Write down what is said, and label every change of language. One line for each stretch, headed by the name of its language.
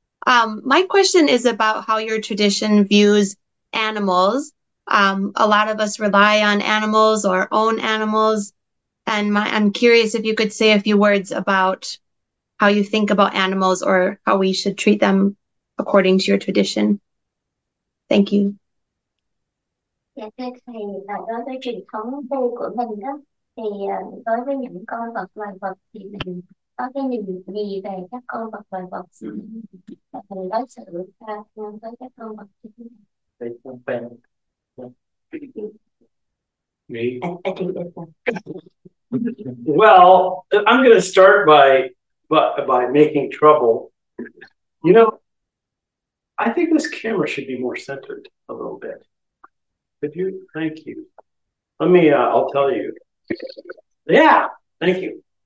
English: My question is about how your tradition views animals. A lot of us rely on animals or own animals. And I'm curious if you could say a few words about how you think about animals or how we should treat them according to your tradition. Thank you.
Vietnamese: Dạ thưa thầy, đối với truyền thống vô của mình đó, thì đối với những con vật loài vật thì mình có cái nhìn gì về các con vật loài vật và mình đối xử với các con vật như thế nào?
English: Me? I think it's one. Well, I'm going to start by making trouble. You know, I think this camera should be more centered a little bit. Could you? Thank you. Let me, I'll tell you. Yeah, thank you.